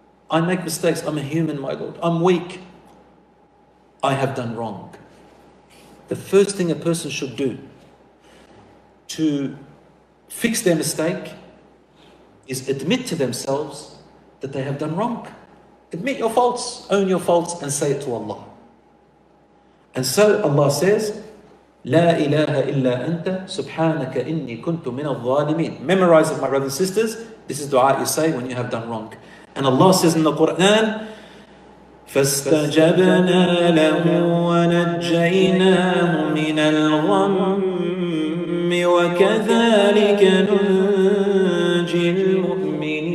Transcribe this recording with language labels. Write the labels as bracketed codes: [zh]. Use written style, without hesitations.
[en] I make mistakes. I'm a human, my Lord. I'm weak. I have done wrong. The first thing a person should do to fix their mistake is admit to themselves that they have done wrong. Admit your faults, own your faults, and say it to Allah. And so Allah says, [ar] لا إله إلا أنت سبحانك إني كنت من الظالمين. [en] Memorize it, my brothers and sisters. This is dua you say when you have done wrong. And Allah says in the Quran, [ar] فاستجبنا له ونجيناه من الغم وكذلك ننجي المؤمنين.